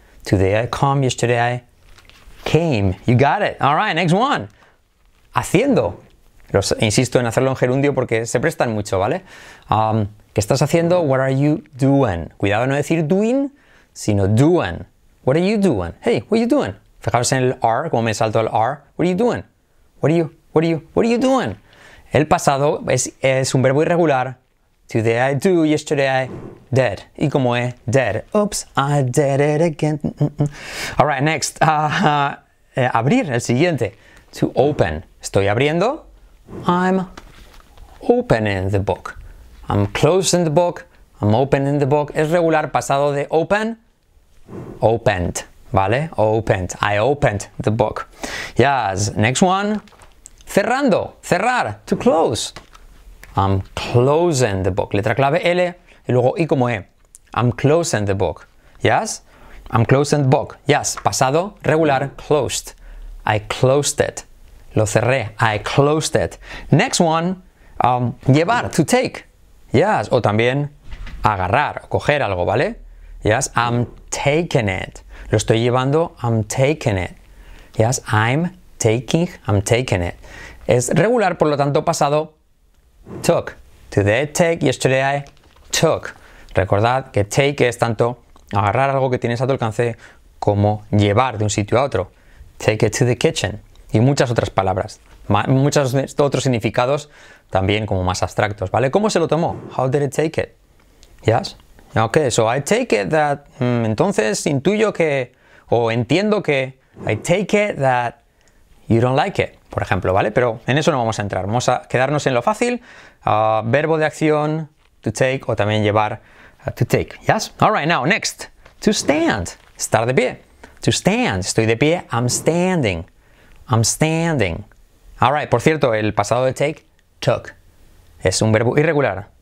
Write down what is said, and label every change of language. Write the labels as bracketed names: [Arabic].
[English] Today I come, yesterday I came. You got it. All right, next one. Haciendo. [Spanish] Los, insisto en hacerlo en gerundio porque se prestan mucho, ¿vale? ¿Qué estás haciendo? [English] What are you doing? [Spanish] Cuidado no decir doing, sino doing. [English] What are you doing? Hey, what are you doing? [Spanish] Fijaros en el R, como me salto el R. [English] What are you doing? What are you? What are you? What are you doing? [Spanish] El pasado es un verbo irregular. [English] Today I do, yesterday I did. [Spanish] Y como es, [English] did. Oops, I did it again. All right, next. [Spanish] Abrir, el siguiente. [English] To open. [Spanish] Estoy abriendo. [English] I'm opening the book. I'm closing the book. I'm opening the book. [Spanish] Es regular, pasado de open. [English] Opened, ¿vale? Opened. I opened the book. Yes, next one. [Spanish] Cerrando, cerrar. [English] To close. I'm closing the book. [Spanish] Letra clave L y luego I como E. [English] I'm closing the book. Yes? I'm closing the book. Yes. [Spanish] Pasado, regular, closed. [English] I closed it. [Spanish] Lo cerré. [English] I closed it. Next one, llevar, to take. Yes. [Spanish] O también agarrar, coger algo, ¿vale? [English] Yes. I'm taking it. [Spanish] Lo estoy llevando. [English] I'm taking it. Yes. I'm taking it. [Spanish] Es regular, por lo tanto, pasado. [English] Took. Today I take, yesterday I took. [Spanish] Recordad que take es tanto agarrar algo que tienes a tu alcance como llevar de un sitio a otro. [English] Take it to the kitchen. [Spanish] Y muchas otras palabras. Muchos otros significados también como más abstractos, ¿vale? ¿Cómo se lo tomó? [English] How did it take it? Yes? Ok, so I take it that... [Spanish] entonces intuyo que... O entiendo que... [English] I take it that you don't like it. [Spanish] Por ejemplo, ¿vale? Pero en eso no vamos a entrar. Vamos a quedarnos en lo fácil. Verbo de acción, to take, o también llevar, to take. [English] Yes? All right, now, next. To stand. [Spanish] Estar de pie. [English] To stand. [Spanish] Estoy de pie. [English] I'm standing. I'm standing. [Spanish] All right, por cierto, el pasado de take, took. Es un verbo irregular.